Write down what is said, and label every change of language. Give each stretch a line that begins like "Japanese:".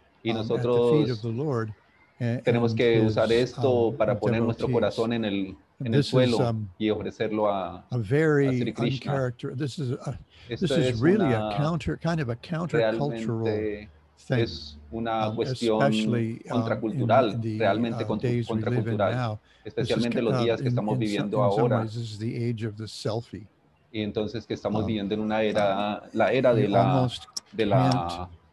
Spanish: y nosotros tenemos que usar esto para poner
English: devotees.
Spanish: Nuestro corazón en el en el suelo y ofrecerlo a Sri Krishna.
English: This is a, this is really a counter, kind of a countercultural thing.
Spanish: Es una cuestión contracultural, realmente contracultural, especialmente los días que estamos viviendo ahora.
English: This is the age of the selfie.
Spanish: Y entonces que estamos viviendo en una era, la era de la